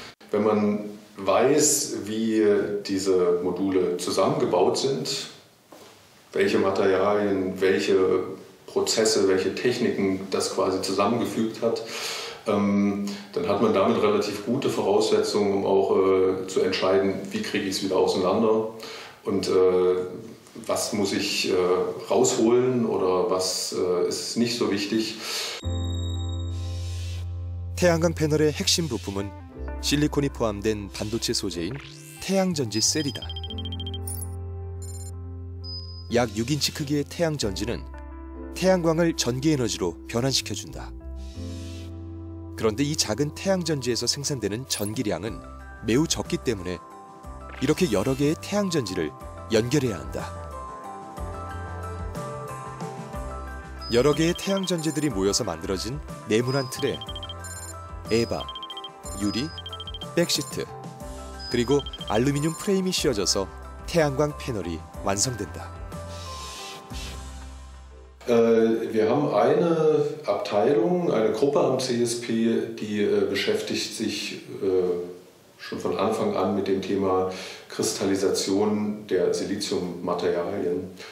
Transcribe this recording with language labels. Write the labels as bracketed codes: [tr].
[de] Wenn man weiß, wie diese Module zusammengebaut sind, welche Materialien, welche Prozesse, welche Techniken das quasi zusammengefügt hat, dann hat man damit relativ gute Voraussetzungen, um auch zu entscheiden, wie kriege ich es wieder auseinander und was muss ich rausholen oder was ist nicht so wichtig. [ko] 태양광 패널의 핵심 부품은 실리콘이 포함된 반도체 소재인 태양전지 셀이다. 약 6인치 크기의 태양전지는 태양광을 전기에너지로 변환시켜준다. 그런데 이 작은 태양전지에서 생산되는 전기량은 매우 적기 때문에 이렇게 여러 개의 태양전지를 연결해야 한다. 여러 개의 태양전지들이 모여서 만들어진 네모난 틀에 에바, 유리, 백시트, 그리고 알루미늄 프레임이 씌워져서 태양광 패널이 완성된다. [de] Wir haben eine Abteilung, eine Gruppe am CSP, die beschäftigt sich schon von Anfang an mit dem Thema Kristallisation der Siliziummaterialien.